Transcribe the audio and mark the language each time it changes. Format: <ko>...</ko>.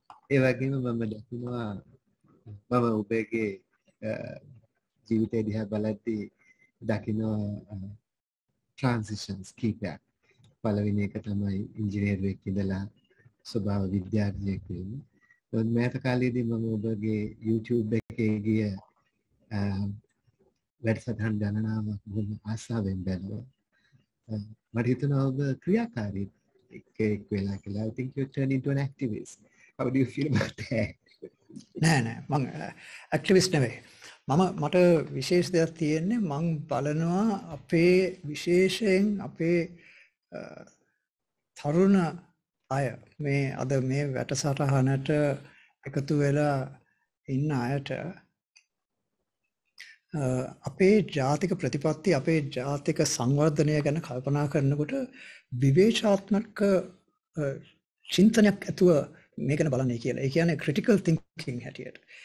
<si>ඒ වගේම මම දකිනවා මම ඔබගේ ජීවිතය දිහා බලද්දී දකිනවා</si> <en>transitions keep back</en> <si>පළවෙනි එක තමයි ඉංජිනේරුවෙක් ඉඳලා ස්වභාව විද්‍යාඥයෙක් වෙන්න. මෑත කාලයේදී මම ඔබගේ YouTube එකේ ගිය වැඩසටහන් ගණනාවක් බොහොම ආසාවෙන් බැලුවා. මට හිතනවා ඔබ ක්‍රියාකාරී එකෙක් වෙලා කියලා.</si> <en>I think you turn into an activist. How do you feel about that?</en> <si>නෑ නෑ මං activist නෙවෙයි. මම මට විශේෂ දෙයක් තියෙන්නේ මං බලනවා අපේ විශේෂයෙන් අපේ තරුණ අය මේ අද මේ වැටසටහනට එකතු වෙලා ඉන්න අයට අපේ ජාතික ප්‍රතිපත්ති අපේ ජාතික සංවර්ධනය ගැන කල්පනා කරනකොට විවේචනාත්මක චින්තනයක් ඇතුව මේක ගැන බලන්නේ කියලා. ඒ කියන්නේ ක්‍රිටිකල් තින්කින් හැටියට.</si>